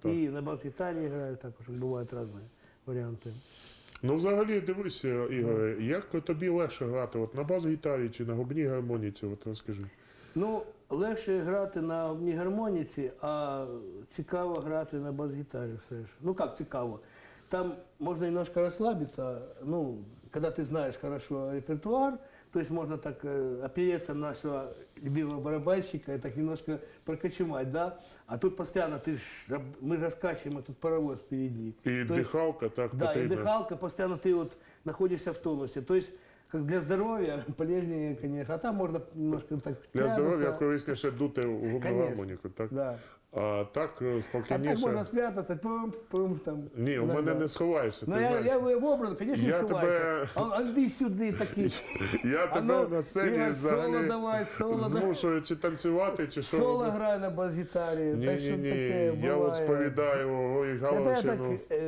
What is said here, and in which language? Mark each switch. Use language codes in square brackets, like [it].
[uk] і на бас-гітарі граю також. Бувають різні варіанти. Ну, взагалі, дивись, Ігоре, як тобі легше грати? От на бас-гітарі чи на губній гармоніці? От розкажи. Ну, легше грати на губній гармоніці, а цікаво грати на бас-гітарі все ж. Ну, як цікаво? [ru] Там можна немножко расслабиться, ну, когда ты знаешь хорошо репертуар, то есть можно так опереться на нашего любимого барабанщика и так немножко прокочевать, да? А тут постоянно, ты ж, мы же раскачиваем этот паровоз впереди. И то дыхалка есть, так потребность. Да, и дыхалка, постоянно ты вот находишься в тонусе. То есть как для здоровья полезнее, конечно, а там можно немножко так для пляться. Здоровья корыстнейше дуты в гармонику, так? Да. [uk] А так спокійніше. А так можна спрятатися, пум-пум там. Ні, у мене не сховаєшся, ти знаєш. Ну я вийшов образ, звісно, не сховаєшся. Тебе... А йди сюди такий. Я тебе на сцені взагалі соло давай, соло змушую чи танцювати, чи що. Соло граю на бас-гітарі. Ні-ні-ні, я от сповідаю Рої Галахівщину.